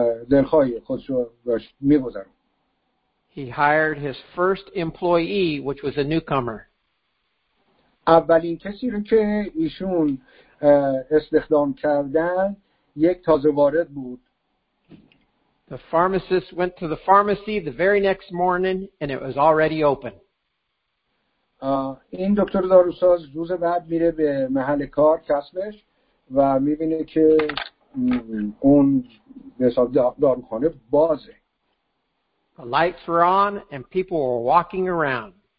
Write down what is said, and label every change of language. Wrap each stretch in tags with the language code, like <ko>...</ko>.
<fa>دلخواهی خودش رو داشت می‌گذرون.</fa> <en>He hired his first employee, which was a newcomer.</en> <fa>اولین کسی رو که ایشون استخدام کردن یک تازه وارد بود.</fa> <en>The pharmacist went to the pharmacy the very next morning and it was already open.</en> <fa>این دکتر داروساز روز بعد میره به محل کار کسبش و میبینه که اون به حساب داروخانه بازه.</fa> <en>The lights were on and people were walking around.</en>